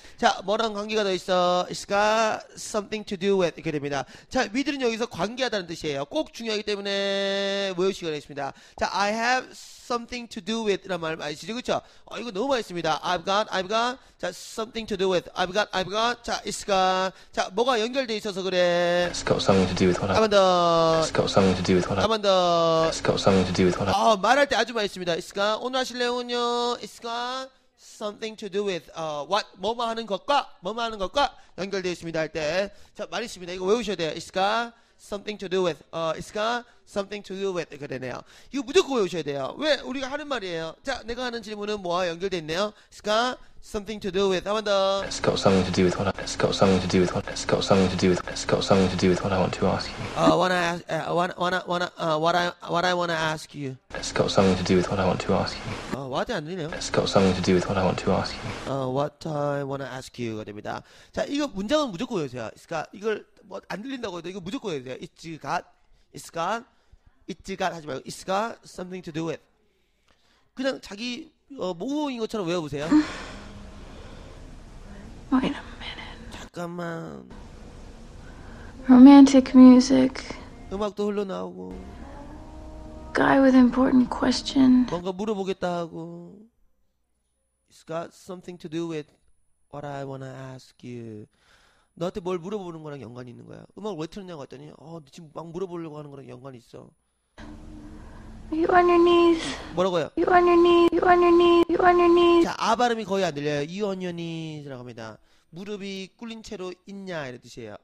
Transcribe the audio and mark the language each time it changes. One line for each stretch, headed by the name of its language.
Korean: 자, 뭐랑 관계가 돼 있어?
English: It's got something to do with.
Korean: 이렇게 됩니다. 자, with는 여기서 관계하다는 뜻이에요. 꼭 중요하기 때문에 외우시기 바랍니다. 자,
English: I have something to do with
Korean: 라는 말 아시죠? 그쵸? 이거 너무 많이 씁니다.
English: I've got. 자, something to do with. I've got. 자, it's got.
Korean: 자, 뭐가 연결되어 있어서 그래?
English: It's got something to do with what I want to ask. It's got something to do with what I want to ask. It's got something to do with what I want to ask.
Korean: 말할 때 아주 많이 씁니다.
English: It's got.
Korean: 오늘 하실 내용은요. It's got.
English: Something to do with what
Korean: 뭐뭐 하는 것과 뭐뭐 하는 것과 연결되어 있습니다 할 때 자 말이 있습니다. 이거 외우셔야 돼요.
English: It's got something to do with it's got something to do with
Korean: 이렇게 되네요. 이거 무조건 외우셔야 돼요. 왜? 우리가 하는 말이에요. 자 내가 하는 질문은 뭐와 연결되어 있네요.
English: It's got something to do with 한 번 더. It's got something to do with what it's got something to do with what it's got something to do with it's got something to do with what I want to ask you. What I want to ask you. It's got something to do with what I want to ask you.
Korean: 와지 않으네요.
English: It's got something to do with what I want to ask you. What I want to ask you가 됩니다.
Korean: 자, 이거 문장은 무조건 외우세요.
English: It's got
Korean: 이걸 뭐 안 들린다고 해도 이거 무조건 외우세요.
English: It's got
Korean: 하지 말고
English: It's got something to do with.
Korean: 그냥 자기 모음인 것처럼 외워보세요.
English: Wait a minute.
Korean: 잠깐만.
English: Romantic music.
Korean: 음악도 흘러나오고.
English: Guy with important question.
Korean: 뭔가 물어보겠다 하고.
English: It's got something to do with what I wanna ask you.
Korean: 너한테 뭘 물어보는 거랑 연관이 있는 거야. 음악을 왜 틀었냐고 했더니 지금 막 물어보려고 하는 거랑 연관이 있어.
English: You on your knees.
Korean: 뭐라고요?
English: You on your knees.
Korean: 자, 아 발음이 거의 안 들려요.
English: You on your knees
Korean: 라고 합니다. 무릎이 꿇린 채로 있냐 이런 뜻이에요.